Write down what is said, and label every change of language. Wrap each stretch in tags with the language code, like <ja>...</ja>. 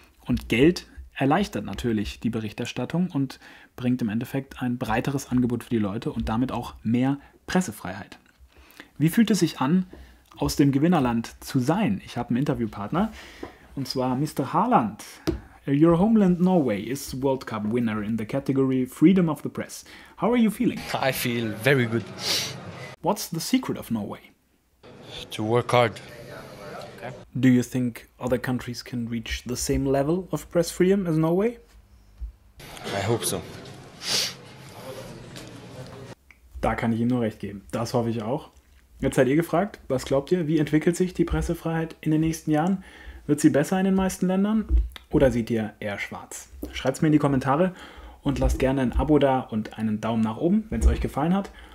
<de>Und Geld erleichtert natürlich die Berichterstattung und bringt im Endeffekt ein breiteres Angebot für die Leute und damit auch mehr Pressefreiheit. Wie fühlt es sich an, aus dem Gewinnerland zu sein? Ich habe einen Interviewpartner. Und zwar Mr. Haaland.</de> <en>Your homeland Norway is World Cup winner in the category Freedom of the Press. How are you feeling? I feel very good. What's the secret of Norway? To work hard. Do you think other countries can reach the same level of press freedom as Norway? I hope so.</en> <de>Da kann ich ihm nur recht geben. Das hoffe ich auch. Jetzt seid ihr gefragt, was glaubt ihr, wie entwickelt sich die Pressefreiheit in den nächsten Jahren? Wird sie besser in den meisten Ländern oder seht ihr eher schwarz? Schreibt es mir in die Kommentare und lasst gerne ein Abo da und einen Daumen nach oben, wenn es euch gefallen hat.</de>